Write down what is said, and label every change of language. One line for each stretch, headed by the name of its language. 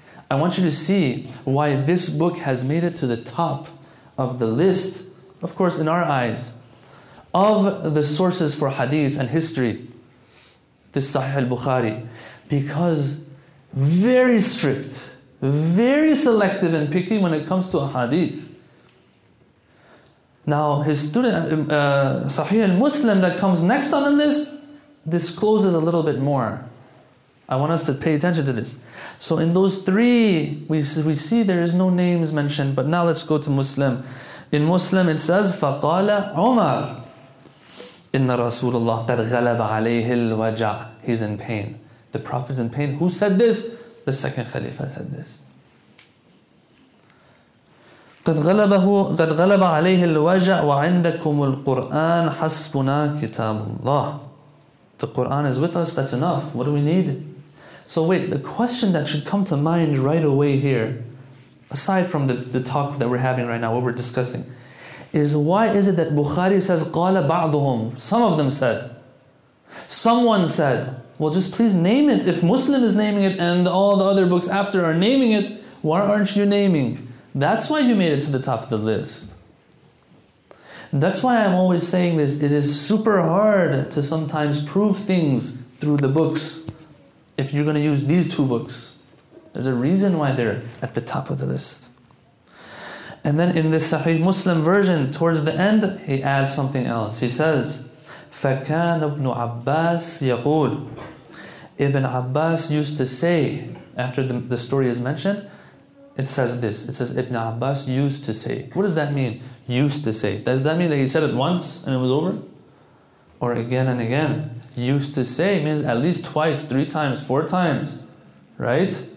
English: I want you to see why this book has made it to the top of the list, of course in our eyes, of the sources for hadith and history, this Sahih al-Bukhari, because very strict, very selective and picky when it comes to a hadith. Now his student, Sahih al-Muslim, that comes next on the list, discloses a little bit more. I want us to pay attention to this. So in those three, we see there is no names mentioned. But now let's go to Muslim. In Muslim it says,
Arabic: فَقَالَ عُمَرْ إِنَّ رَسُولَ اللَّهِ قَدْ غَلَبَ عَلَيْهِ الْوَجَعْ.
English: He's in pain. The Prophet's in pain. Who said this? The second Khalifa said this.
Arabic: قَدْ غَلَبَ عَلَيْهِ الْوَجَعْ وَعِنْدَكُمُ الْقُرْآنَ حَسْبُنَا كِتَابُ اللَّهِ.
English: The Qur'an is with us, that's enough. What do we need? So wait, the question that should come to mind right away here, aside from the talk that we're having right now, what we're discussing, is why is it that Bukhari says,
Arabic: قَالَ بَعْضُهُمْ.
English: Some of them said. Someone said. Well, just please name it. If Muslim is naming it and all the other books after are naming it, why aren't you naming? That's why you made it to the top of the list. That's why I'm always saying this. It is super hard to sometimes prove things through the books. If you're going to use these two books, there's a reason why they're at the top of the list. And then in the Sahih Muslim version, towards the end, he adds something else. He says,
Arabic: فَكَانَ ابْنُ عَبَّاسِ يَقُولُ.
English: Ibn Abbas used to say, after the story is mentioned, it says this. It says, Ibn Abbas used to say. What does that mean, used to say? Does that mean that he said it once and it was over? Or again and again? Used to say means at least twice, three times, four times, right?